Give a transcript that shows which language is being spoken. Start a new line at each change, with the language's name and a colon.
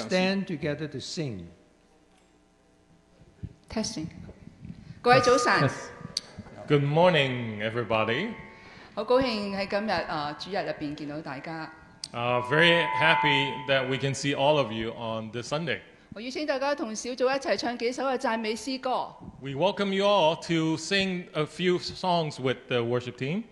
English: Let us stand together to sing.
Cantonese: Testing. 各位早晨。
English: Good morning, everybody.
Cantonese: 好高兴喺今日主日入边见到大家。
English: Very happy that we can see all of you on this Sunday.
Cantonese: 我邀请大家同小组一齐唱几首嘅赞美诗歌。
English: We welcome you all to sing a few songs with the worship team.